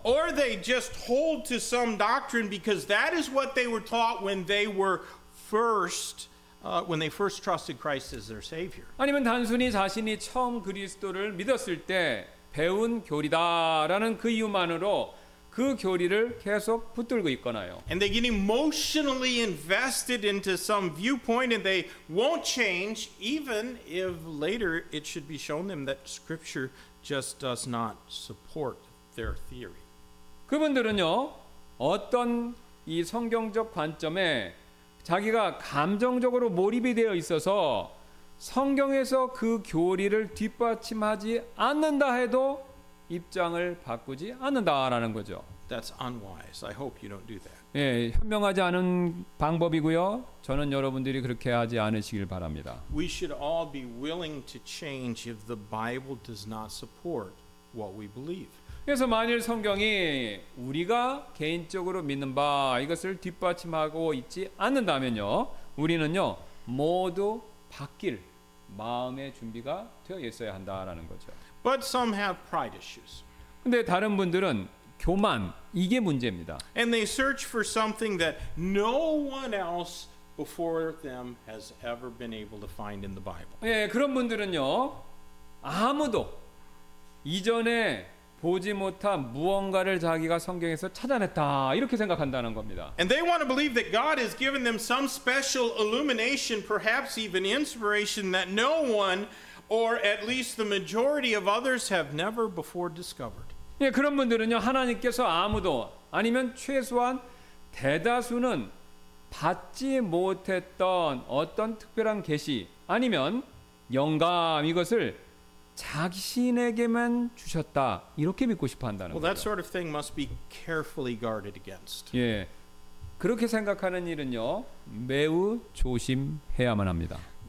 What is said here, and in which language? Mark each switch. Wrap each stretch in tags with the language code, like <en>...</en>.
<en>Or they just hold to some doctrine because that is what they were taught when they were first when they first trusted Christ as their savior.</en> <ko>아니면 단순히 자신이 처음 그리스도를 믿었을 때 배운 교리다라는 그 이유만으로 그 교리를 계속 붙들고 있거나요.</ko> <en>And they get emotionally invested into some viewpoint and they won't change even if later it should be shown them that scripture just does not support their theory.</en> <ko>그분들은요. 어떤 이 성경적 관점에 자기가 감정적으로 몰입이 되어 있어서 성경에서 그 교리를 뒷받침하지 않는다 해도 입장을 바꾸지 않는다라는 거죠.</ko> <en>That's unwise. I hope you don't do that.</en> <ko>예, 현명하지 않은 방법이고요. 저는 여러분들이 그렇게 하지 않으시길 바랍니다.</ko> <en>We should all be willing to change if the Bible does not support what we believe.</en> <ko>그래서 만일 성경이 우리가 개인적으로 믿는 바 이것을 뒷받침하고 있지 않는다면요. 우리는요. 모두 바뀔 마음의 준비가 되어 있어야 한다라는 거죠.</ko> <en>But some have pride issues.</en> <ko>근데 다른 분들은 교만 이게 문제입니다.</ko> <en>And they search for something that no one else before them has ever been able to find in the Bible.</en> <ko>예, 그런 분들은요. 아무도 이전에 보지 못한 무언가를 자기가 성경에서 찾아냈다 이렇게 생각한다는 겁니다.</ko> <en>And they want to believe that God has given them some special illumination, perhaps even inspiration that no one or at least the majority of others have never before discovered.</en> <ko>예, 그런 분들은요 하나님께서 아무도 아니면 최소한 대다수는 받지 못했던 어떤 특별한 계시 아니면 영감 이것을 자신에게만 주셨다 이렇게 믿고 싶어한다는 거죠.</ko> <en>Well, that sort of thing must be carefully guarded against.</en> <ko>예, 그렇게 생각하는 일은요 매우 조심해야만 합니다.</ko>